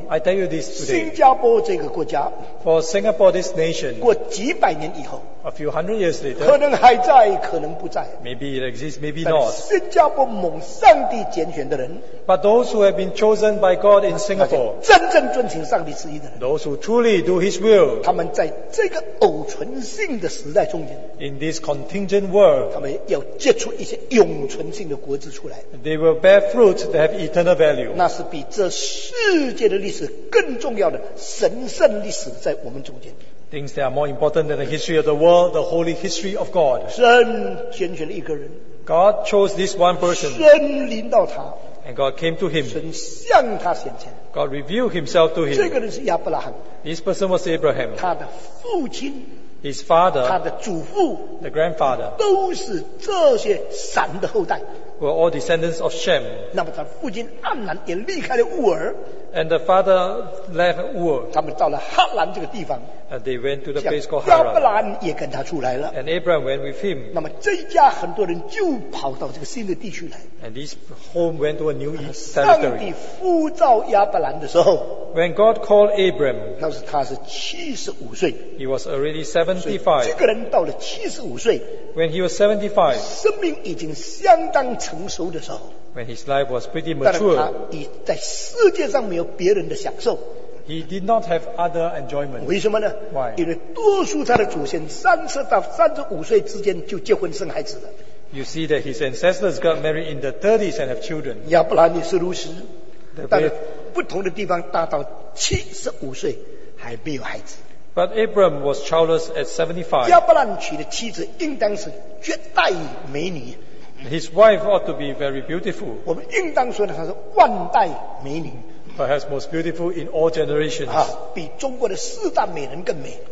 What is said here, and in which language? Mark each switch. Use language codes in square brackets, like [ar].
[en] I tell you this today. [zh] 新加坡这个国家。 [en] For Singapore this nation. [zh] 过几百年以后。 [en] A few hundred years later. [zh] 可能还在，可能不在。 [en] Maybe it exists, maybe not. [zh] 新加坡蒙上帝拣选的人。 [en] But those who have been chosen by God in Singapore, [zh] 真正遵行上帝旨意的人， [en] those who truly do His will, [zh] 他们在这个偶存性的时代中间， [en] in this contingent world, [zh] 他们要结出一些永存性的果子出来， [en] they will bear fruit that have eternal value. [zh] 那是比这世界的历史更重要的神圣历史在我们中间。 [en] Things that are more important than the history of the world, the holy history of God. [zh] 神拣选了一个人， [en] God chose this one person. [zh] 神领导他。 [en] And God came to him. [zh] 神向他显现。 [en] God revealed himself to him. [zh] 这个人是亚伯拉罕。 [en] This person was Abraham. [zh] 他的父亲。 [en] His father. [zh] 他的祖父。 [en] The grandfather. [zh] 都是这些闪的后代。 [en] Were all descendants of Shem. [zh] 那么他父亲暗兰也离开了乌尔。 [en] And the father left Ur. [zh] 他们到了哈兰这个地方。 [en] And they went to the place called Haran. [zh] 亚伯兰也跟他出来了。 [en] And Abraham went with him. [zh] 那么这一家很多人就跑到这个新的地区来。 [en] And this home went to a new territory. [zh] 上帝呼召亚伯兰的时候。 [en] When God called Abraham. [zh] 那时他是75岁。 [en] He was already 75. [zh] 这个人到了75岁。 [en] When he was 75. [zh] 生命已经相当成熟的时候。 [en] When his life was pretty mature. [zh] 但是他在世界上没有别人的享受。 [en] He did not have other enjoyment. [zh] 为什么呢？ [en] Why? [zh] 因为多数他的祖先30到35岁之间就结婚生孩子了。 [en] You see that his ancestors got married in the 30s and have children. [zh] 亚伯兰也是如此。 [en] The [zh] 不同的地方大到七十五岁还没有孩子。 [en] But Abram was childless at 75. [zh] 亚伯兰娶的妻子应当是绝代美女。 [en] His wife ought to be very beautiful. [zh] 我们应当说呢，她是万代美女。 [en] Perhaps most beautiful in all generations. [zh] 啊，比中国的四大美人更美。